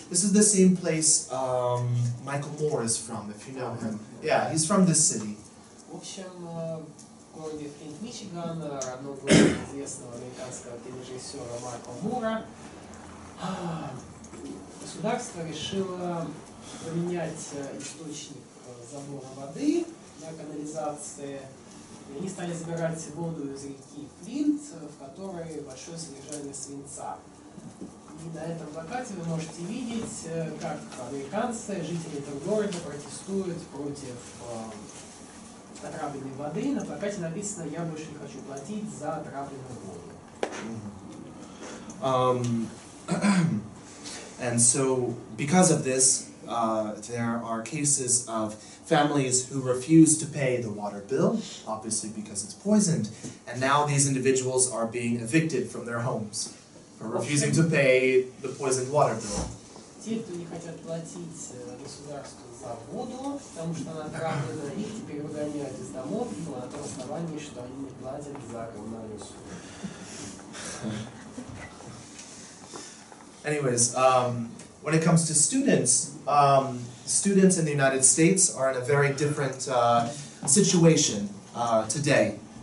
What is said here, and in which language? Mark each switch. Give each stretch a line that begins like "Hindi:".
English: This is the same place Michael Moore is from, if you know him. Yeah, he's from this city.
Russian: В общем, в городе Флинт, Мичиган, родной город известного американского кинорежиссера Майкла Мура, государство решило поменять источник забора воды для канализации. И они стали забирать воду из реки Флинт, в которой большое содержание свинца. И на этом плакате вы можете видеть, как американцы, жители этого города, протестуют против отравленной воды. На плакате написано: «Я больше не хочу платить за отравленную воду».
English: And so, because of this, there are cases of families who refuse to pay the water bill, obviously because it's poisoned, and now these individuals are being evicted from their homes for refusing to pay the poisoned water bill.
Russian: Те, кто не хотят платить государству за воду, потому что она отравлена, их теперь выгоняют из домов на том основании, что они не платят за коммунальную услугу.
English: Anyways, when it comes to students, students in the United States are in a very different situation today.